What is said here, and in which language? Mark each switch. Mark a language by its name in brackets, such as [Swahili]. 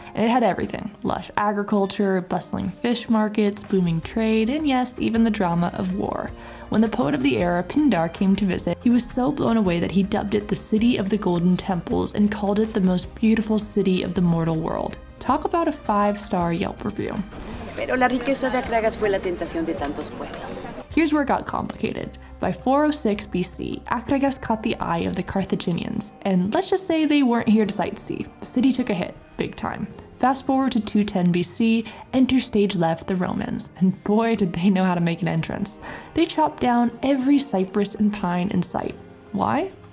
[English] And it had everything, lush agriculture, bustling fish markets, booming trade, and yes, even the drama of war. When the poet of the era, Pindar, came to visit, he was so blown away that he dubbed it the City of the Golden Temples and called it the most beautiful city of the mortal world. Talk about a five-star Yelp review. [Spanish] Pero la riqueza de Akragas fue la tentación de tantos pueblos. [English] Here's where it got complicated. By 406 BC, Akragas caught the eye of the Carthaginians, and let's just say they weren't here to sightsee. The city took a hit, big time. Fast forward to 210 BC, enter stage left the Romans, and boy did they know how to make an entrance. They chopped down every cypress and pine in sight. Why?